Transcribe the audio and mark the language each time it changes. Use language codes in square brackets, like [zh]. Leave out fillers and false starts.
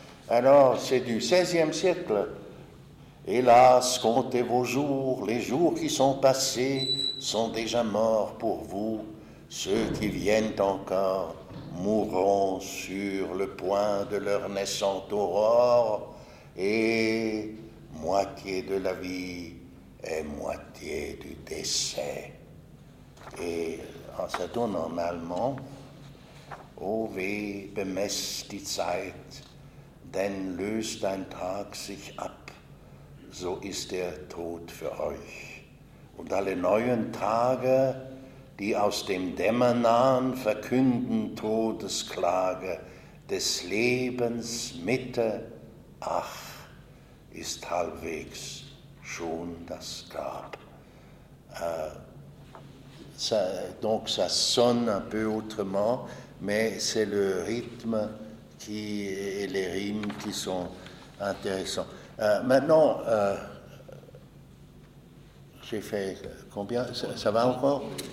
[fr] Alors, c'est du XVIe siècle. Hélas, comptez vos jours, les jours qui sont passés sont déjà morts pour vous. Ceux qui viennent encore mourront sur le point de leur naissante aurore, et moitié de la vie et moitié du décès. Et ça donne en allemand [de] O weh, bemesst die Zeit, denn löst ein Tag sich ab, so ist der Tod für euch. Und alle neuen Tage, die aus dem Dämmer nahen, verkünden Todesklage des Lebens Mitte, ach, ist halbwegs schon das Grab. [fr] Donc ça sonne un peu autrement, mais c'est le rythme qui et les rimes qui sont intéressants. Maintenant, j'ai fait combien? Ça va encore?